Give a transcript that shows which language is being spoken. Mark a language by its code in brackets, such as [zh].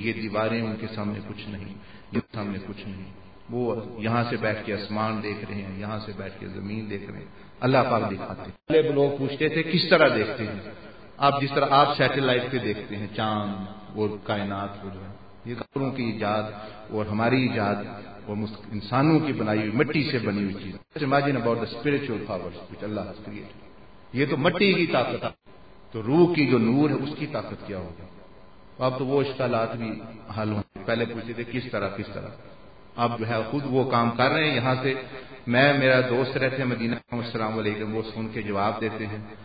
[ur] یہ دیواریں ان کے سامنے کچھ نہیں, یہ سامنے کچھ نہیں, وہ یہاں سے بیٹھ کے آسمان دیکھ رہے ہیں, یہاں سے بیٹھ کے زمین دیکھ رہے ہیں, اللہ پاک دکھاتے. پہلے لوگ پوچھتے تھے کس طرح دیکھتے ہیں آپ, جس طرح آپ سیٹلائٹ پہ دیکھتے ہیں چاند اور کائنات, جو ہے یہ کپڑوں کی ایجاد اور ہماری ایجاد اور انسانوں کی بنائی ہوئی مٹی سے بنی ہوئی چیز. [en] Imagine about the spiritual powers which Allah has created. [ur] یہ تو مٹی کی طاقت ہے, تو روح کی جو نور ہے اس کی طاقت کیا ہوگی؟ اب تو وہ اشکالات بھی حل ہوں. پہلے پوچھتے تھے کس طرح کس طرح, اب جو ہے خود وہ کام کر رہے ہیں. یہاں سے میں, میرا دوست رہتے ہیں مدینہ, السلام علیکم, وہ سن کے جواب دیتے ہیں.